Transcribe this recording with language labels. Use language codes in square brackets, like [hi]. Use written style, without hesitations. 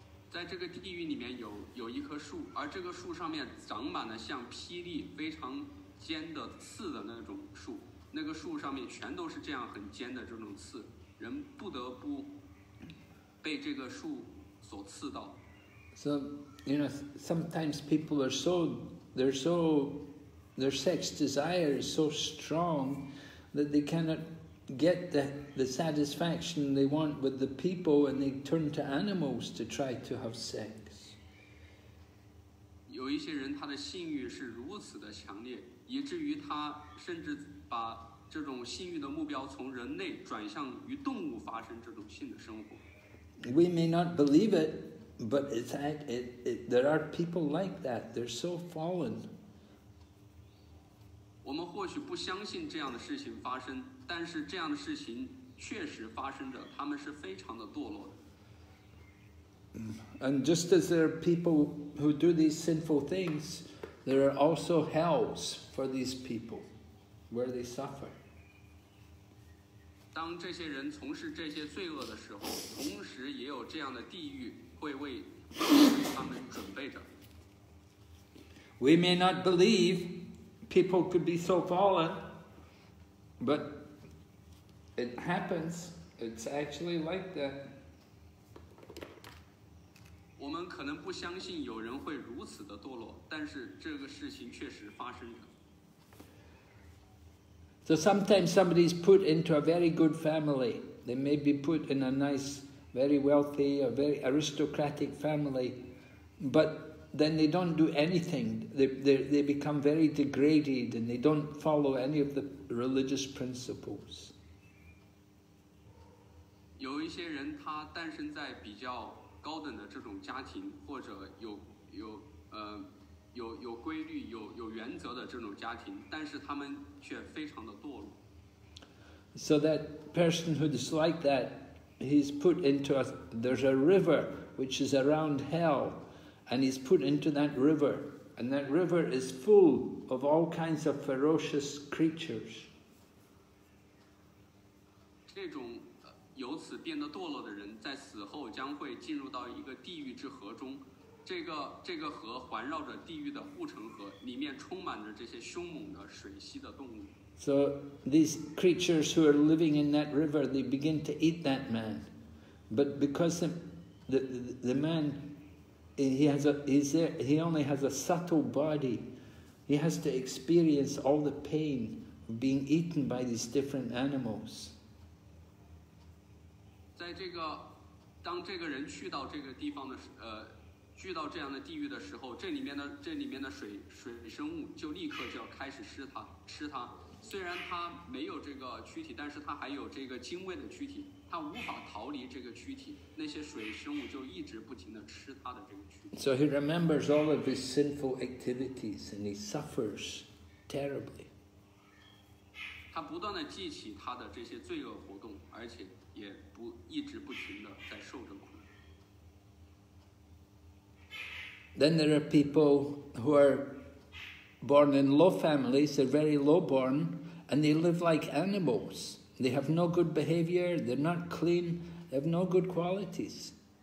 [zh] 在这个地狱里面有一棵树，而这个树上面长满了像霹雳非常尖的刺的那种树，那个树上面全都是这样很尖的这种刺，人不得不被这个树所刺到。 [en] So, you know, sometimes people are so, their sex desire is so strong that they cannot get the satisfaction they want with the people, and they turn to animals to try to have sex. [zh] 有一些人他的性欲是如此的强烈，以至于他甚至把这种性欲的目标从人类转向与动物发生这种性的生活。 [en] We may not believe it, but it's there are people like that. They're so fallen. [zh] 我们或许不相信这样的事情发生，但是这样的事情确实发生着，他们是非常的堕落的。 [en] And just as there are people who do these sinful things, there are also hells for these people, where they suffer. [zh] 当这些人从事这些罪恶的时候，同时也有这样的地狱会为他们准备着。 [en] We may not believe. People could be so fallen, but it happens. It's actually like that. [zh] 我们可能不相信有人会如此的堕落，但是这个事情确实发生着。 [en] So sometimes somebody is put into a very good family. They may be put in a nice, very wealthy, a very aristocratic family, but. Then they don't do anything. They become very degraded, and they don't follow any of the religious principles. [zh] 有一些人他诞生在比较高等的这种家庭，或者有规律、有原则的这种家庭，但是他们却非常的堕落。 [en] So that person who is like that, he's put into a there's a river which is around hell. And he's put into that river, and that river is full of all kinds of ferocious creatures. [zh] 这种由此变得堕落的人，在死后将会进入到一个地狱之河中。这个河环绕着地狱的护城河，里面充满着这些凶猛的水栖的动物。 [en] So these creatures who are living in that river, they begin to eat that man, but because the man. He only has a subtle body. He has to experience all the pain of being eaten by these different animals. [zh] 在这个，当这个人去到这个地方的时，去到这样的地狱的时候，这里面的水生物就立刻就要开始吃他。虽然他没有这个躯体，但是他还有这个精微的躯体。他无法逃离这个躯体，那些水生物就一直不停地吃他的这个躯体。 [en] So he remembers all of his sinful activities, and he suffers terribly. [zh] 他不断地记起他的这些罪恶活动，而且也不一直不停地在受着苦。 [en] Then there are people who are born in low families, they're very low born, and they live like animals. They have no good behavior, they're not clean, they have no good qualities.